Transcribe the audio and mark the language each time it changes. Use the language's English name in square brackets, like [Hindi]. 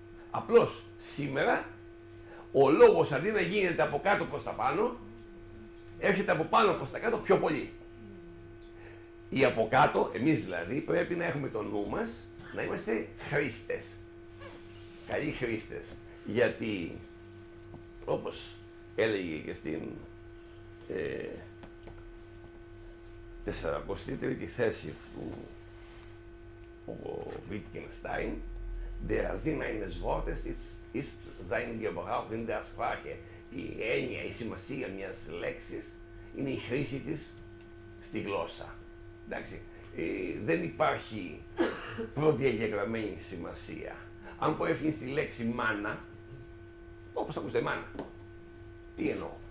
[Greek] Απλώς σήμερα ο λόγος αντί να γίνεται από κάτω προς τα πάνω, έρχεται από πάνω προς τα κάτω πιο πολύ. Ή από κάτω, εμείς δηλαδή, πρέπει να έχουμε το νου μας να είμαστε χρήστες. Καλοί χρήστες. Γιατί, όπως έλεγε και στην 43η θέση του Wittgenstein, [German] «Der Sinn eines Wortes ist sein Gebrauch in der Sprache». [Greek] Η έννοια, η σημασία μιας λέξης είναι η χρήση της στη γλώσσα. Εντάξει, δεν υπάρχει προδιαγεγραμμένη σημασία. Αν πω έφυγε στη λέξη μάνα, όπως ακούστε μάνα, τι εννοώ.